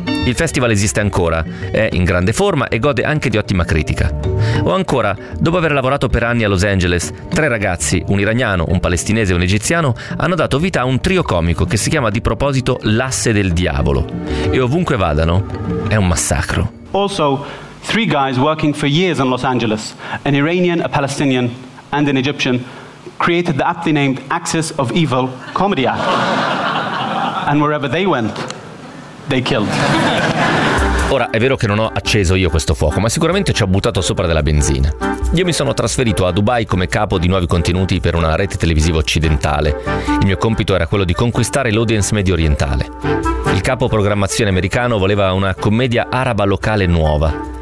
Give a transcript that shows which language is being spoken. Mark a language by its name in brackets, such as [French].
[Italian] Il festival esiste ancora, è in grande forma e gode anche di ottima critica. O ancora, dopo aver lavorato per anni a Los Angeles, 3 ragazzi, un iraniano, un palestinese e un egiziano, hanno dato vita a un trio comico che si chiama di proposito L'Asse del Diavolo. E ovunque vadano, è un massacro. [English] Also, 3 guys working for years in Los Angeles, an Iranian, a Palestinian, and an Egyptian, created the aptly named Axis of Evil Comedy Act. And wherever they went, they killed. [Italian] Ora, è vero che non ho acceso io questo fuoco, ma sicuramente ci ho buttato sopra della benzina. Io mi sono trasferito a Dubai come capo di nuovi contenuti per una rete televisiva occidentale. Il mio compito era quello di conquistare l'audience medio orientale. Il capo programmazione americano voleva una commedia araba locale nuova.